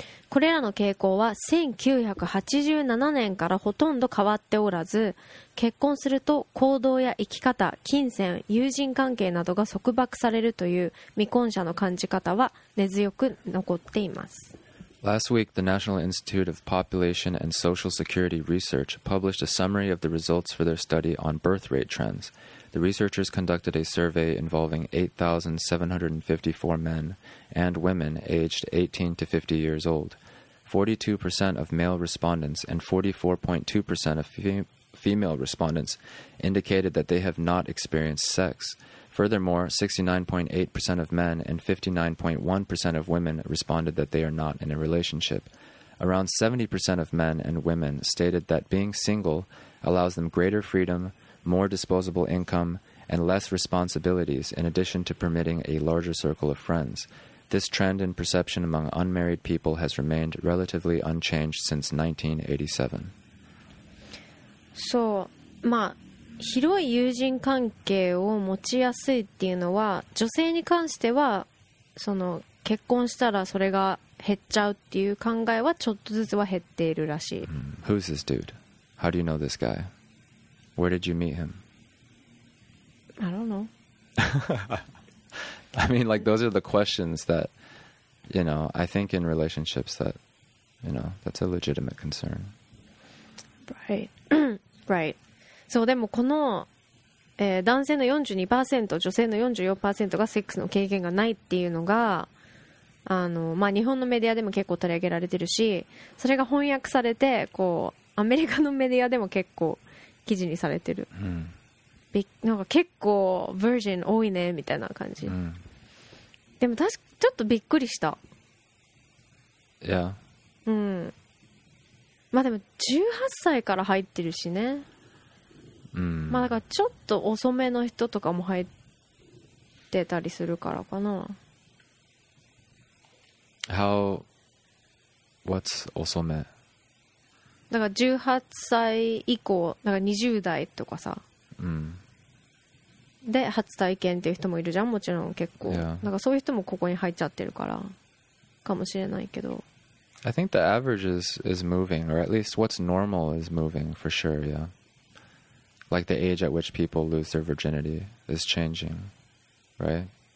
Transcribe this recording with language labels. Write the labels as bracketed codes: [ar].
[ja] これらの傾向は1987年からほとんど変わっておらず、結婚すると行動や生き方、金銭、友人関係などが束縛されるという未婚者の感じ方は根強く残っています。 [en] Last week, the National Institute of Population and Social Security Research published a summary of the results for their study on birth rate trends. The researchers conducted a survey involving 8,754 men and women aged 18 to 50 years old. 42% of male respondents and 44.2% of female respondents indicated that they have not experienced sex. Furthermore, 69.8% of men and 59.1% of women responded that they are not in a relationship. Around 70% of men and women stated that being single allows them greater freedom, more disposable income, and less responsibilities, in addition to permitting a larger circle of friends. This trend in perception among unmarried people has remained relatively unchanged since 1987. So, ma. [ja] 広い友人関係を持ちやすいっていうのは、女性に関してはその結婚したらそれが減っちゃうっていう考えはちょっとずつは減っているらしい。 [en] Who's this dude? How do you know this guy? Where did you meet him? I don't know. I mean, like, those are the questions that, you know, I think in relationships that, you know, that's a legitimate concern. Right. Right. [ja] そう、でもこの、男性の 42%、 女性の 44% がセックスの経験がないっていうのが、まあ、日本のメディアでも結構取り上げられてるし、それが翻訳されてこうアメリカのメディアでも結構記事にされてる、うん、なんか結構ヴァージン多いねみたいな感じ、うん、でも確かちょっとびっくりした。いや、 [en] yeah. [ja] うん、まあでも18歳から入ってるしね。うん、まあ、だからちょっと遅めの人とかも入ってたりするからかな。 How What's 遅め？だから18歳以降、だから20代とかさ、うん、で初体験っていう人もいるじゃん、もちろん結構、 [en] yeah. [ja] だからそういう人もここに入っちゃってるからかもしれないけど、 [en] I think the average is moving, or at least what's normal is moving for sure, yeahLike the age at which people lose their virginity is changing, right?